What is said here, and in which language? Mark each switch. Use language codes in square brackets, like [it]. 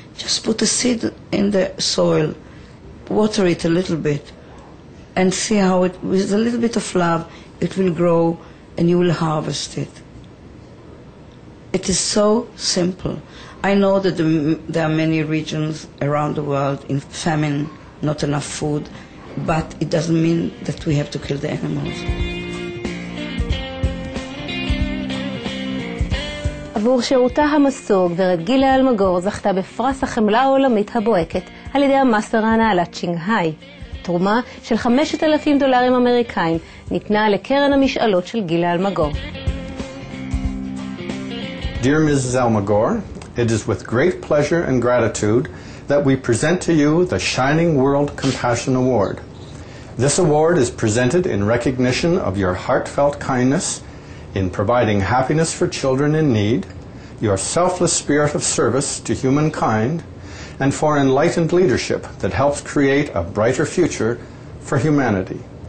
[en] Just put a seed in the soil, water it a little bit, and see how it, with a little bit of love, it will grow and you will harvest it. It is so simple. I know that there are many regions around the world in famine, not enough food, but it doesn't mean that we have to kill the animals. [he] עבור שירותה המסור, גברת גילה אלמגור זכתה בפרס החמלה העולמית הבועקת על ידי המאסטרן העלת צ'ינגהי. תרומה של 5,000 דולרים אמריקאים ניתנה לקרן המשאלות של גילה אלמגור. [en] Dear Mrs. Elmagor, it is with great pleasure and gratitude that we present to you the Shining World Compassion Award. This award is presented in recognition of your heartfelt kindness in providing happiness for children in need, your selfless spirit of service to humankind, and for enlightened leadership that helps create a brighter future for humanity.